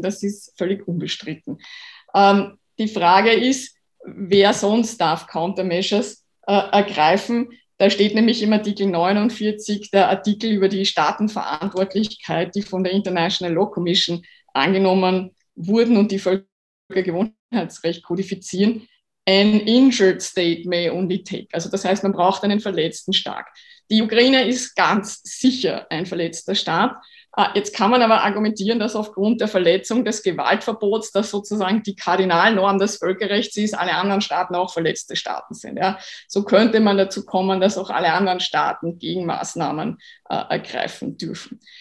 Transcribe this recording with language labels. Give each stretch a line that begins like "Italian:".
German: Das ist völlig unbestritten. Die Frage ist, wer sonst darf Countermeasures ergreifen? Da steht nämlich im Artikel 49 der Artikel über die Staatenverantwortlichkeit, die von der International Law Commission angenommen wurden und die Völkergewohnheitsrecht kodifizieren.
English: An injured state may only take.
German: Also das heißt, man braucht einen verletzten Staat. Die Ukraine ist ganz sicher ein verletzter Staat. Jetzt kann man aber argumentieren, dass aufgrund der Verletzung des Gewaltverbots, das sozusagen die Kardinalnorm des Völkerrechts ist, alle anderen Staaten auch verletzte Staaten sind. Ja, so könnte man dazu kommen, dass auch alle anderen Staaten Gegenmaßnahmen ergreifen dürfen.